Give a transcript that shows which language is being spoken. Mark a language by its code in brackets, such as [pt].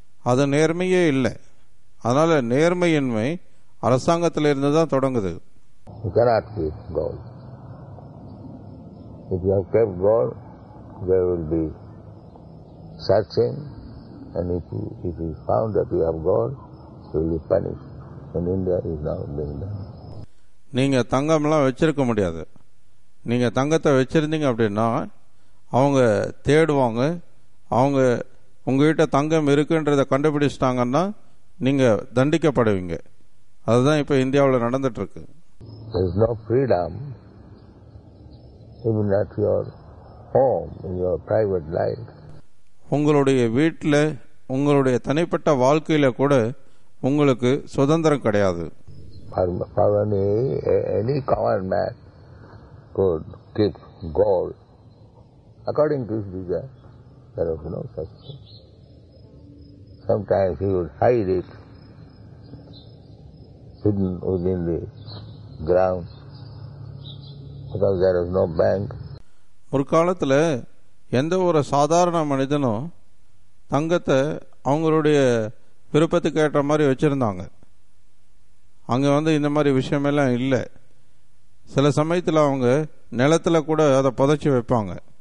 [ta] அது நேர்மையே இல்லை. அதனால நேர்மையின்மை அரசாங்கத்திலிருந்து தான் தொடங்குது. [en] You cannot keep gold. If you have kept gold, there will be searching, and if you found that you have gold, you will be punished. And India is now being done. [ta] நீங்க தங்கம்லாம் வச்சிருக்க முடியாது. நீங்க தங்கத்தை வச்சிருந்தீங்க அப்படின்னா அவங்க தேடுவாங்க, அவங்க உங்ககிட்ட தங்கம் இருக்குன்றத கண்டுபிடிச்சிட்டாங்கன்னா நீங்க தண்டிக்கப்படுவீங்க. அதுதான் இப்ப இந்தியாவில் நடந்துட்டு இருக்கு. [en] There is no freedom even at your home, in your private life. [ta] உங்களுடைய வீட்டில், உங்களுடைய தனிப்பட்ட வாழ்க்கையில கூட உங்களுக்கு சுதந்திரம் கிடையாது. [en] Any government could keep gold according to his desire. There was no such thing. Sometimes he would hide it hidden within the ground because there was no bank. [ta] முற்காலத்தில் எந்த ஒரு சாதாரண மனிதனும் தங்கத்தை அவங்களுடைய விருப்பத்துக்கு ஏற்ற மாதிரி வச்சிருந்தாங்க. அங்க வந்து இந்த மாதிரி விஷயமெல்லாம் இல்லை. சில சமயத்தில் அவங்க நிலத்தில் கூட அதை புதைச்சி வைப்பாங்க.